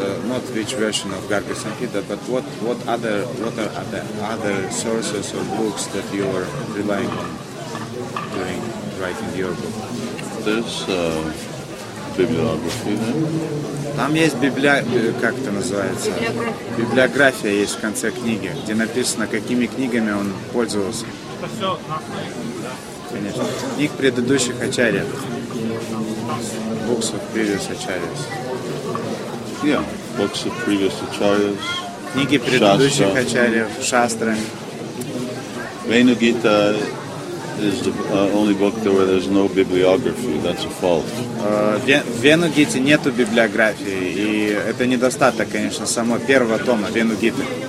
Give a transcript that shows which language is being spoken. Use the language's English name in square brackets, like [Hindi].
[English] Not which version of Garga Samhita, but what are the other sources or books that you are relying on during writing your book? There's bibliography. [Russian] Там есть как это называется? Библиография есть в конце книги, где написано, какими книгами он пользовался. Это все на основе, да? Конечно. Книг предыдущих ачарьев. [English] Books of previous acharyas. Yeah, books of previous acharyas. [Russian] Книги предыдущих ачарьев, шастры. [English] Vaina Gita is the only book where there's no bibliography. That's a fault. [Russian] Венугите нету библиографии, и это недостаток, конечно, самого первого тома Венугиты.